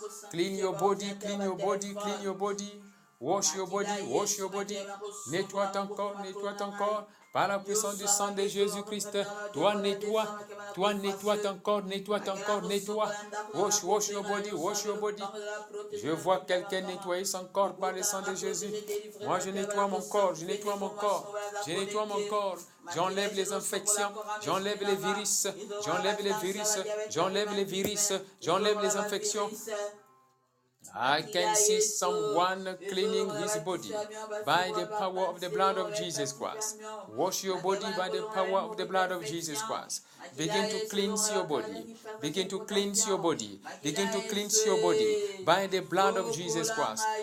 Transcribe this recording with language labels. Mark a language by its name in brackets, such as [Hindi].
[English] Clean your body, clean your body, clean your body. Wash your body, wash your body. [French] Nettoie ton corps par la puissance du sang de Jésus-Christ. Toi, nettoie ton corps, nettoie ton corps, nettoie. [English] Wash, wash your body, wash your body. [French] Je vois quelqu'un nettoyer son corps par le sang de Jésus. Moi, je nettoie mon corps, je nettoie mon corps, je nettoie mon corps. J'enlève les infections, j'enlève les virus, j'enlève les virus, j'enlève les virus, j'enlève les infections. [English] I can see someone cleaning his body by the power of the blood of Jesus Christ. Wash your body by the power of the blood of Jesus Christ. Begin to cleanse your body. Begin to cleanse your body. Begin to cleanse your body by the blood of Jesus Christ.